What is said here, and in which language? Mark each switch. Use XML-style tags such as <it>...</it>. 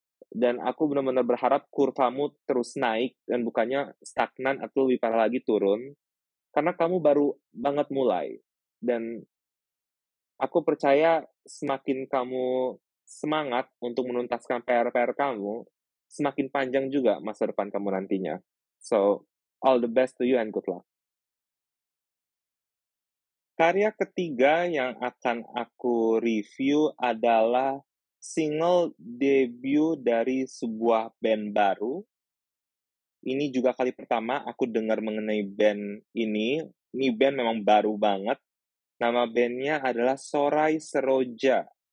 <id>Dan aku benar-benar berharap kurvamu terus naik dan bukannya stagnan atau lebih parah lagi turun. Karena kamu baru banget mulai. Dan aku percaya semakin kamu semangat untuk menuntaskan PR-PR kamu, semakin panjang juga masa depan kamu nantinya.</id> <en>So, all the best to you and good luck.</en> <id>Karya ketiga yang akan aku review adalah single debut dari sebuah band baru. Ini juga kali pertama aku dengar mengenai band ini. Ini band memang baru banget. Nama bandnya adalah Sorai Seroja.</id>